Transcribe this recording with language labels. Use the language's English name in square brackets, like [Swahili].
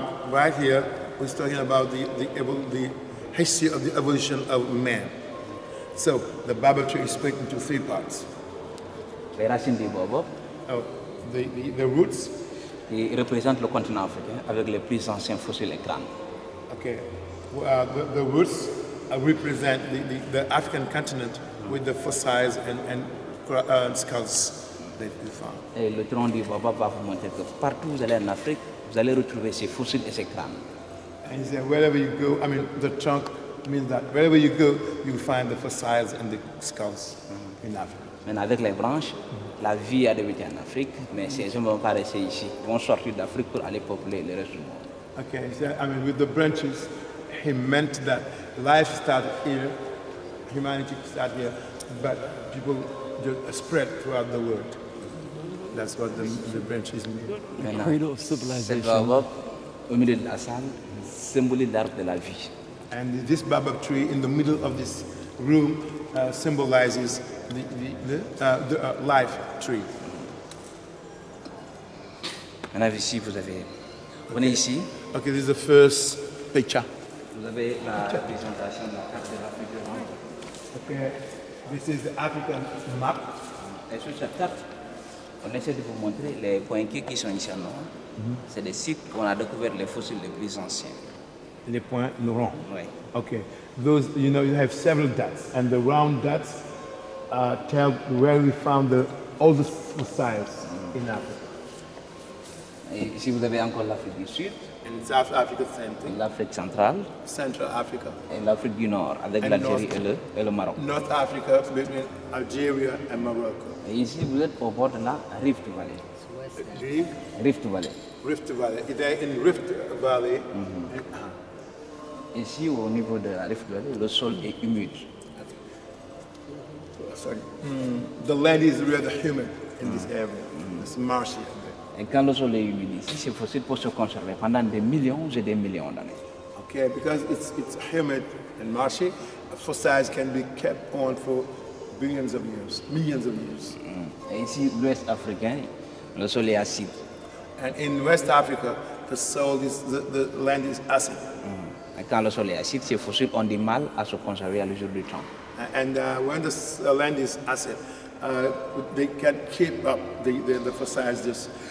[English] Right here we're talking about the history of the evolution of man. So the baobab tree is split into three parts. [French] Les racines des baobab. [English] The roots. [French] Ils représentent le continent africain avec les plus anciens fossiles et crânes. [English] Okay. The roots represent the African continent with the fossils and skulls that we found. [French] Et le tronc des baobab va vous montrer que partout où vous allez en Afrique, vous allez retrouver ces fossiles et ces crânes. [English] And he said, wherever you go, I mean, the trunk means that wherever you go, you find the fossils and the skulls in Africa. [French] Mais avec les branches, la vie a débuté en Afrique, mais ces hommes ne vont pas rester ici. Ils vont sortir d'Afrique pour aller populer le reste du monde. [English] Okay, so, I mean, with the branches, he meant that life started here, humanity started here, but people just spread throughout the world. That's what the branches mean. The cradle of civilization. [French] Cette baobab au milieu de la salle, symbolise l'arbre de la vie. [English] And this baobab tree in the middle of this room symbolizes the life tree. [French] On a vu ici, vous avez. Venez okay. Ici. [English] Okay, this is the first picture. [French] Vous avez la représentation de la carte de l'Afrique du Monde. [English] Okay, this is the African map. [French] Et sur cette carte, on essaie de vous montrer les points qui sont ici en noir. Mm-hmm. C'est des sites où on a découvert les fossiles les plus anciens. Les points noirs. Oui. [English] Okay, those, you know, you have several dots, and the round dots tell where we found the oldest fossils in Africa. [French] Et ici, vous avez encore l'Afrique du Sud. [English] And it's Africa Center. [French] L'Afrique centrale. [English] Central Africa. [French] Et l'Afrique du Nord, avec and l'Algérie North, et le Maroc. [English] North Africa, between Algeria and Morocco. [French] Et ici, vous êtes au bord de la Rift Valley. [English] Rift Valley. [French] Rift Valley. Il est in Rift Valley. Mm-hmm. Et, ici, au niveau de la Rift Valley, le sol est humide. [English] Sorry. The land is rather humid in this area. It's marshy. [French] Et quand le sol est humide ici, c'est possible pour se conserver pendant des millions d'années. [English] Okay, because it's humid and marshy, fossils can be kept on for billions of years, millions of years. [French] Et ici, l'Ouest africain, le sol est acide. [English] And in West Africa, the soil is the land is acid. [French] Et quand le sol est acide, ces fossiles ont du mal à se conserver à l'usure du temps. [English] And when the land is acid, they can keep up the fossils just.